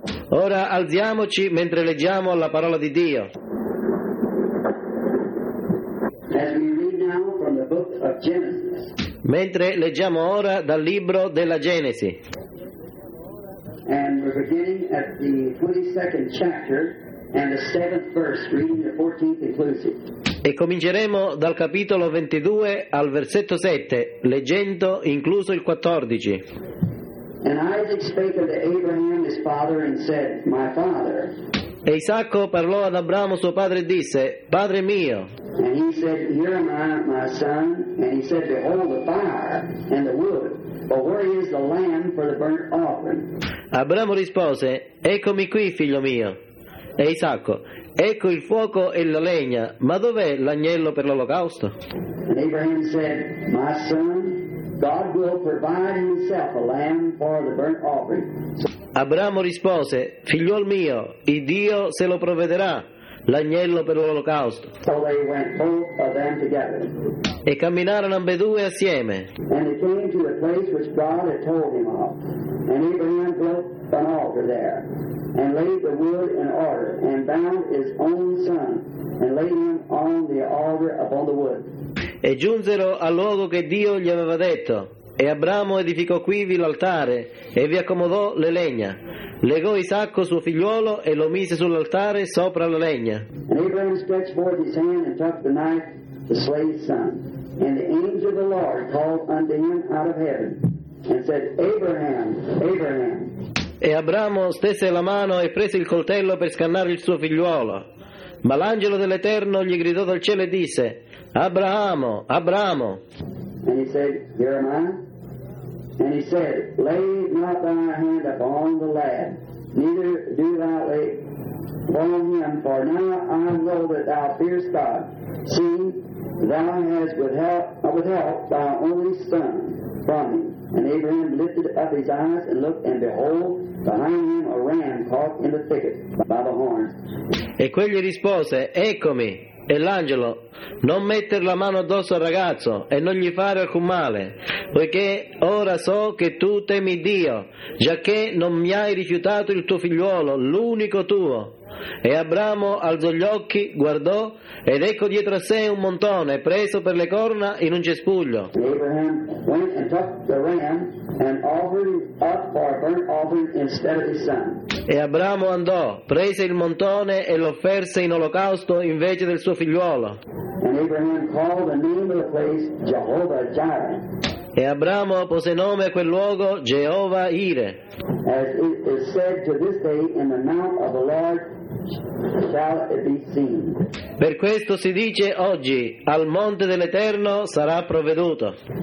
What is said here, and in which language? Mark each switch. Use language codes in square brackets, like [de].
[it] Ora alziamoci mentre leggiamo la parola di Dio. Mentre leggiamo ora dal libro della Genesi. [en] And we're beginning at the 22nd chapter and the 7th verse, reading the 14th inclusive. [it] E cominceremo dal capitolo 22 al versetto 7, leggendo incluso il 14. [en] And Isaac spake unto Abraham his father and said, My father. [it] E Isacco parlò ad Abramo suo padre e disse, Padre mio. [en] And he said, Here am I, my son. And he said, Behold the fire and the wood, but where is the lamb for the burnt offering? [it] Abramo rispose, Eccomi qui, figlio mio. E Isacco, ecco il fuoco e la legna, ma dov'è l'agnello per l'olocausto? [en] And Abraham said, My son, God will provide himself a lamb for the burnt offering. [it] Abramo rispose, Figliol mio, il Dio se lo provvederà, l'agnello per l'olocausto. [en] So they went both of them together. [it] E camminarono ambedue assieme. [en] And they came to the place which God had told him of. And Abraham built an altar there, and laid the wood in order, and bound his own son, and laid him on the altar upon the wood. [it] E giunsero al luogo che Dio gli aveva detto. E Abramo edificò quivi l'altare e vi accomodò le legna. Legò Isacco suo figliuolo e lo mise sull'altare sopra la legna. [en] And Abraham stretched forth his hand and took the knife to slay his son. And the angel of the Lord called unto him out of heaven and said, Abraham, Abraham. [it] E Abramo stese la mano e prese il coltello per scannare il suo figliuolo. Ma l'angelo dell'Eterno gli gridò dal cielo e disse, Abramo, Abramo. [en] And he said, Here am I. And he said, Lay not thy hand upon the lad, neither do thou lay upon him, for now I know that thou fearest God, seeing thou hast withheld thy only son from me. And Abraham lifted up his eyes and looked, and behold, behind him a ram caught in the thicket by the horns. [it] E quegli rispose, Eccomi. E l'angelo, non metter la mano addosso al ragazzo e non gli fare alcun male, poiché ora so che tu temi Dio, giacché non mi hai rifiutato il tuo figliuolo, l'unico tuo. E Abramo alzò gli occhi, guardò, ed ecco dietro a sé un montone preso per le corna in un cespuglio. [en] Abraham went and took the ram and offered it up for a burnt offering instead of his son. [it] E Abramo andò, prese il montone e lo offerse in olocausto invece del suo figliuolo. [en] And Abraham called the name of the place Jehovah Jireh. [it] E Abramo pose nome a quel luogo Jehovah Ire. [en] As it is said to this day, in the mouth of the Lord shall it be seen. [it] Per questo si dice oggi, al monte dell'Eterno sarà provveduto.